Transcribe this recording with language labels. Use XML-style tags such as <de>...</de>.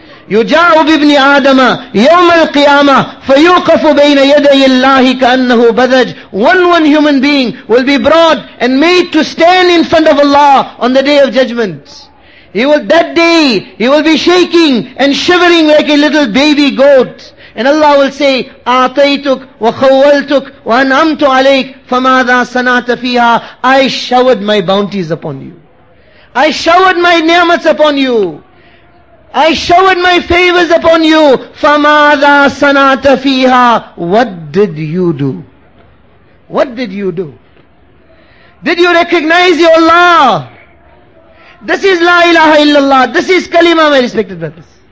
<ar>يُجَاءُ بِابْنِ آدَمَ يَوْمَ الْقِيَامَةِ فَيُوقَفُ بَيْنَ يَدَيِ اللَّهِ كَأَنَّهُ بَذَجْ.</ar> <en>One human being will be brought and made to stand in front of Allah on the Day of Judgment. That day, he will be shaking and shivering like a little baby goat. And Allah will say,</en> <ar>أَعْطَيْتُكْ وَخَوَّلْتُكْ وَأَنْعَمْتُ عَلَيْكَ فَمَاذَا صَنَعْتَ فِيهَا.</ar> <en>I showered my bounties upon you. I showered my ni'mats upon you. I showered my favors upon you.</en> <ar>فَمَاذَا صَنَعْتَ فِيهَا.</ar> <en>What did you do? What did you do? Did you recognize your Allah? This is La ilaha illallah. This is Kalima, my respected brothers.</en>